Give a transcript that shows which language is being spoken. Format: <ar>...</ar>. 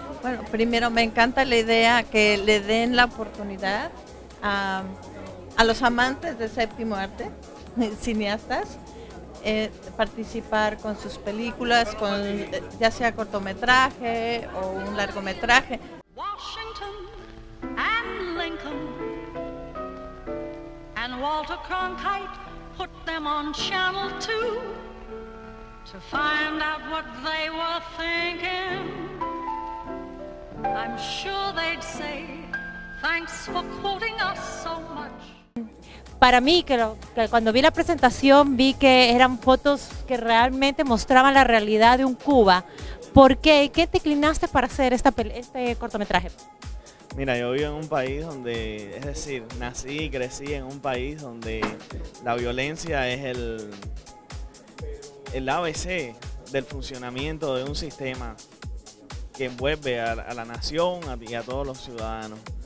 <es>Bueno, primero me encanta la idea que le den la oportunidad a los amantes del séptimo arte, cineastas, participar con sus películas, con ya sea cortometraje o un largometraje.</es> <en>Washington and Lincoln and Walter Cronkite put them on channel 2 to find out what they were thinking. I'm sure they'd say thanks for quoting us so much.</en> <es>Para mí, que cuando vi la presentación, vi que eran fotos que realmente mostraban la realidad de un Cuba. ¿Por qué? ¿Qué te inclinaste para hacer este cortometraje? Mira, yo vivo en un país donde, es decir, nací y crecí en un país donde la violencia es el ABC del funcionamiento de un sistema que envuelve a la nación y a todos los ciudadanos.</es>